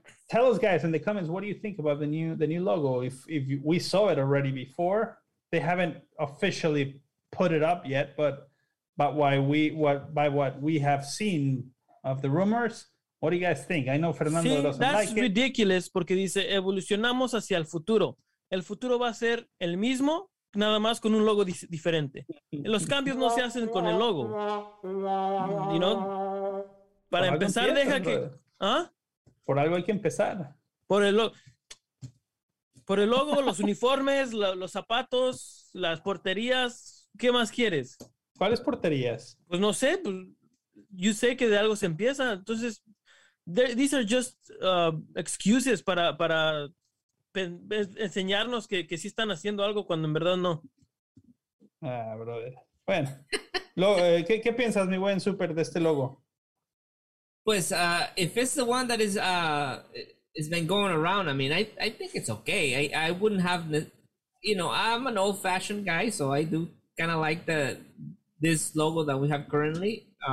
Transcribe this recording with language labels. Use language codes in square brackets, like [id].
[en] Tell us, guys, in the comments, what do you think about the new logo? If we saw it already before, they haven't officially put it up yet, but But by what we have seen of the rumors, what do you guys think? I know Fernando doesn't like it. That's ridiculous [es] porque dice evolucionamos hacia el futuro. El futuro va a ser el mismo, nada más con un logo diferente. Los cambios no se hacen con el logo. [en] You know? [es] Para empezar, deja que... ¿Ah? Por algo hay que empezar. Por el logo, los uniformes, los zapatos, las porterías. ¿Qué más quieres? ¿Cuáles porterías? Pues no sé. Yo sé que de algo se empieza. Entonces, [en] these are just excuses [es] para enseñarnos que sí están haciendo algo cuando en verdad no. [en] Ah, brother. [es] Bueno, ¿qué piensas, mi buen super, de este logo? Pues, [en] if it's the one that is been going around, I mean, I think it's okay. I wouldn't have, you know, I'm an old-fashioned guy, so I do kind of like this logo that we have currently.